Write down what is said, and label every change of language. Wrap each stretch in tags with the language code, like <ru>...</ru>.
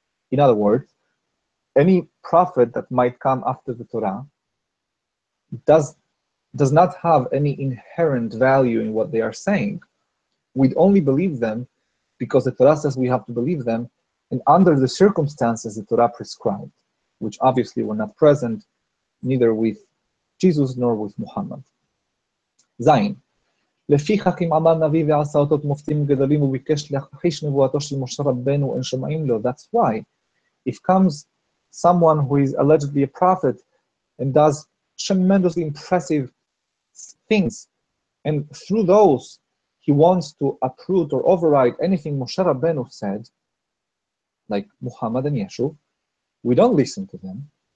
<en>In other words, any prophet that might come after the Torah does not have any inherent value in what they are saying. We'd only believe them because the Torah says we have to believe them, and under the circumstances the Torah prescribed, which obviously were not present, neither with Jesus nor with Muhammad. Zayin.</en> <he>לפיכך אם עמד נביא ועשה אותות מופתים גדולים וביקש להכחיש נבואתו של משה רבנו אין שומעים לו.</he> <en>That's why. If comes someone who is allegedly a prophet and does tremendously impressive things, and through those he wants to uproot or override anything Moshe Rabbeinu said, like Muhammad and Yeshu, we don't listen to them.</en>